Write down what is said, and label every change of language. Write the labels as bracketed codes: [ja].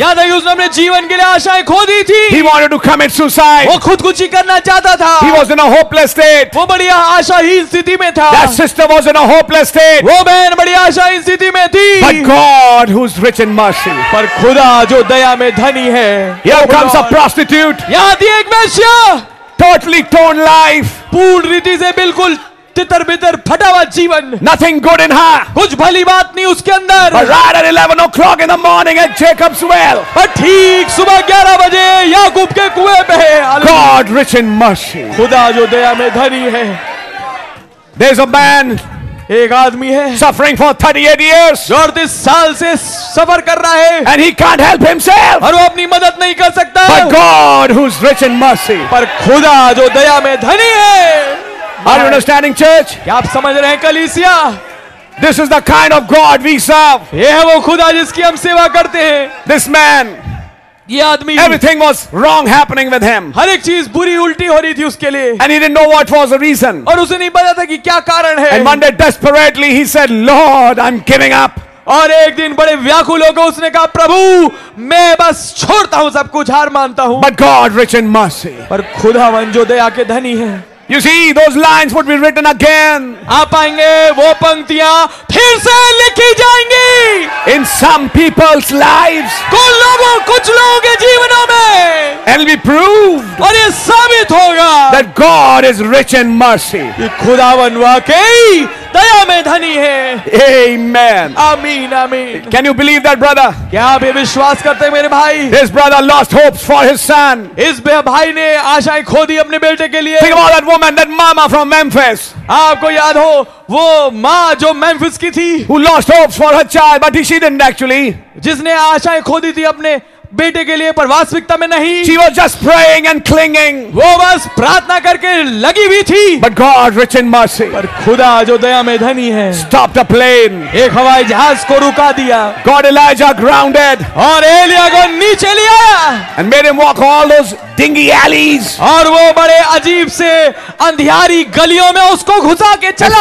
[hi] याद है उसने अपने जीवन के लिए आशाएं खो दी थी. [en] He wanted to commit suicide. [hi] वो खुदकुशी करना चाहता था. [en] He was in a hopeless state. [hi] वो बड़ी आशाहीन स्थिति में था. [en] That sister was in a hopeless state. [hi] वो बहन बड़ी आशाहीन स्थिति में थी. [en] But God, who's rich in mercy. [hi] पर खुदा जो दया में धनी है. [en] Here comes a prostitute. [hi] याद है एक वेश्या. [en] Totally torn life. [hi] पूर्ण रीति से बिल्कुल तितर बितर फटा हुआ जीवन. [en] Nothing good in her. [hi] कुछ भली बात नहीं उसके अंदर. [en] But right at 11 o'clock in the morning at Jacob's well. [hi] पर ठीक सुबह 11 बजे याकूब के कुएं पे. [en] God rich in mercy. [hi] खुदा जो दया में धनी है. [en] There's a man. [hi] एक आदमी है. [en] Suffering for 38 years. [hi] जो 38 साल से सफर कर रहा है. [en] And he can't help himself. [hi] और वो अपनी मदद नहीं कर सकता. [en] But God, who's rich in mercy. [hi] पर खुदा जो दया में धनी है. [en] Are you understanding, church? [hi] क्या आप समझ रहे हैं कलीसिया? [en] This is the kind of God we serve. [hi] ये है वो खुदा जिसकी हम सेवा करते हैं. [en] This man. [hi] ये आदमी. [en] Everything was wrong happening with him. [hi] हर एक चीज बुरी उल्टी हो रही थी उसके लिए. [en] And he didn't know what was the reason. [hi] और उसे नहीं पता था कि क्या कारण है. [en] And one day desperately he said, Lord, I'm giving up. [hi] और एक दिन बड़े व्याकुल होकर उसने कहा, प्रभु मैं बस छोड़ता हूँ सब कुछ, हार मानता हूँ. [en] But God rich in mercy. [hi] पर खुदावन जो दया के धनी है. [en] You see, those lines would be written again. [hi] आप आएंगे, वो पंक्तियाँ फिर से लिखी जाएंगी. [en] In some people's lives. [hi] कुछ लोगों, कुछ लोगों के जीवनों में. [en] And it'll be proved. [hi] और ये साबित होगा. [en] That God is rich in mercy. [hi] ये खुदावन वाकई दया में धनी है. [en] Amen. [hi] आमीन, आमीन. [en] Can you believe that, brother? [hi] क्या आप ये विश्वास करते हैं मेरे भाई? [en] This brother lost hopes for his son. [hi] इस भाई ने आशाएं खो दी अपने बेटे के लिए. [en] Think about that woman, that mama from Memphis. [hi] आपको याद हो वो माँ जो मेम्फिस की थी. [en] Who lost hopes for her child, but she didn't actually. [hi] जिसने आशाएं खो दी थी अपने बेटे के लिए पर वास्तविकता में नहीं. [en] She was just praying and clinging. [hi] वो बस प्रार्थना करके लगी हुई थी. [en] But God rich in mercy. [hi] पर खुदा जो दया में धनी है. [en] Stopped a plane. [hi] एक हवाई जहाज को रुका दिया. [en] Got Elijah grounded. [hi] और एलिया को नीचे लिया. [en] And made him walk all those dingy alleys. [hi] और वो बड़े अजीब से अंधियारी गलियों में उसको घुसा के चला.